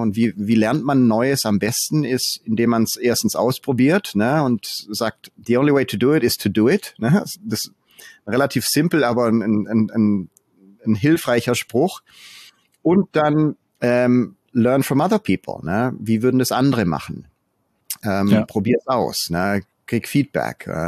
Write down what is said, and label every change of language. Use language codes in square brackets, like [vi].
[de] Und wie lernt man Neues am besten ist, indem man es erstens ausprobiert, ne? Und sagt, [en] the only way to do it is to do it. [de] Ne? Das ist relativ simpel, aber ein hilfreicher Spruch. Und dann [en] learn from other people. [de] Ne? Wie würden das andere machen? Probier es aus. Ne? Krieg Feedback.